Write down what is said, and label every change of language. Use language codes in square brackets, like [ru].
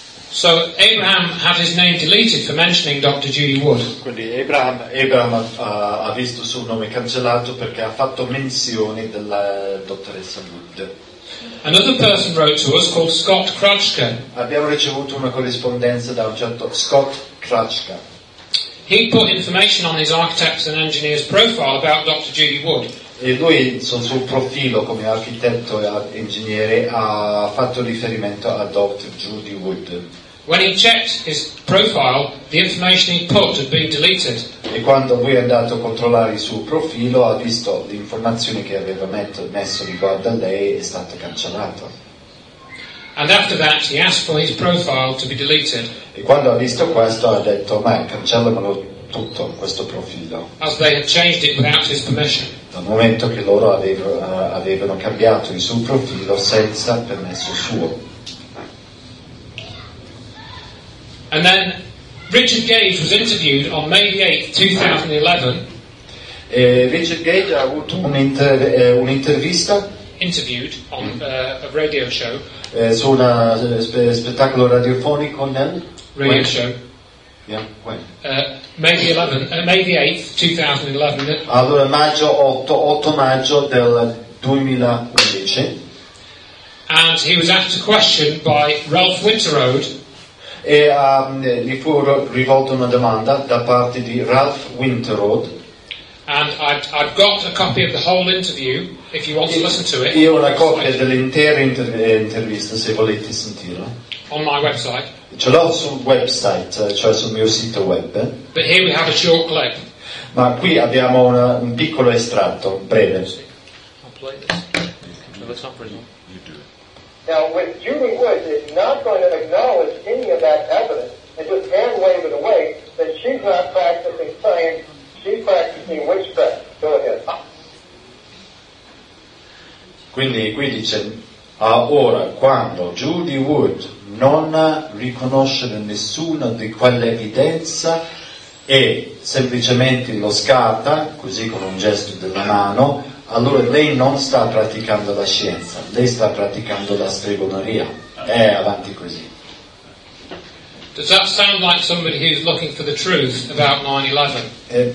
[en] So Abraham had his name deleted for mentioning Dr. Judy Wood. [it] Quindi Abraham ha visto il suo nome cancellato perché ha fatto menzione della dottoressa Wood. [en] Another person wrote to us called Scott Krutschke. [it] Abbiamo ricevuto una corrispondenza da un certo Scott Krutschke. [en] He put information on his architects and engineers profile about Dr. Judy Wood. [it] E lui sul suo profilo come architetto e ingegnere ha fatto riferimento a Dr. Judy Wood. [en] When he checked his profile, the information he put had been deleted. [it] E quando lui è andato a controllare il suo profilo, ha visto l'informazione che aveva messo riguardo a lei è stata cancellata. [en] And after that, he asked for his profile to be deleted. [it] E quando ha visto questo, ha detto: "Ma cancellamelo tutto questo profilo." [en] As they had changed it without his permission. [it] Dal momento che loro avevano cambiato il suo profilo senza permesso suo. [en] And then Richard Gage was interviewed on May 8th, 2011. [it] E Richard Gage ha avuto un'intervista. [en] Interviewed on a radio show. [it] Su un spettacolo radiofonico nel [en] radio when? Show. Yeah, when? May the 8th, 2011. [it] Allora maggio 8 maggio del 2011. [en] And he was asked a question by Ralph Winterode. [it] E gli fu rivolta una domanda da parte di Ralph Winterode. [en] And I've got a copy of the whole interview if you want to listen to it. [it] Io ho una copia dell'intera intervista se volete sentirla. [en] On my website. [it] Ce l'ho sul website, cioè sul mio sito web. [en] But here we have a short clip. [it] Ma qui abbiamo un piccolo estratto, breve. [en] I'll play this. No, that's not pretty. Now, with Hubert Wood is not going to acknowledge any of that evidence and just hand wave it away, that she's not practicing science, she's practicing witchcraft. Go ahead. [it] Quindi qui dice, ora, quando Judy Wood non riconosce nessuna di quell'evidenza e semplicemente lo scarta, così con un gesto della mano, allora lei non sta praticando la scienza, lei sta praticando la stregoneria. È avanti così. [en] Does that sound like somebody who's looking for the truth about 9/11?